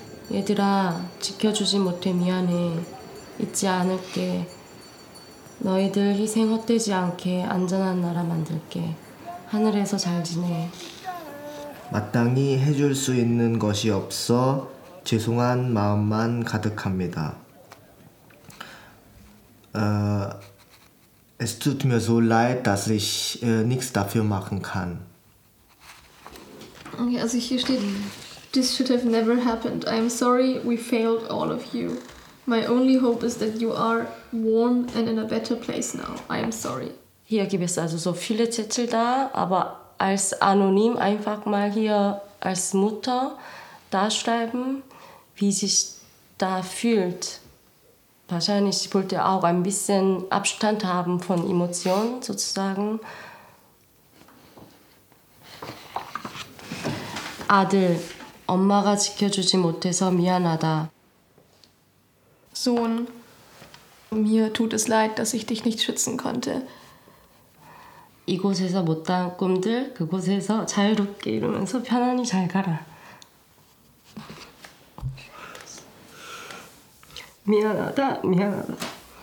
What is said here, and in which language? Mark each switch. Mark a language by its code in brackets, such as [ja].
[ko] 얘들아, 지켜주지 못해 미안해. 잊지 않을게. 너희들 희생 헛되지 않게 안전한 나라 만들게. 하늘에서 잘 지내. 마땅히 해줄 수 있는 것이 없어 죄송한 마음만 가득합니다. [de] Es tut mir so leid, dass ich nichts dafür machen kann. Okay, also hier steht, [en] this should have never happened. I am sorry, we failed all of you. My only hope is that you are warm and in a better place now. I am sorry. [de] Hier gibt es also so viele Zettel da, aber als anonym einfach mal hier als Mutter darschreiben, wie sich da fühlt. Wahrscheinlich wollte er auch ein bisschen Abstand haben von Emotionen, sozusagen. [ko] Adel, 엄마가 지켜주지 못해서 미안하다. [de] Sohn, mir tut es leid, dass ich dich nicht schützen konnte. [ko] 이곳에서 못한 꿈들, 그곳에서 자유롭게 이루면서 편안히 잘 가라. 미안하다, 미안하다.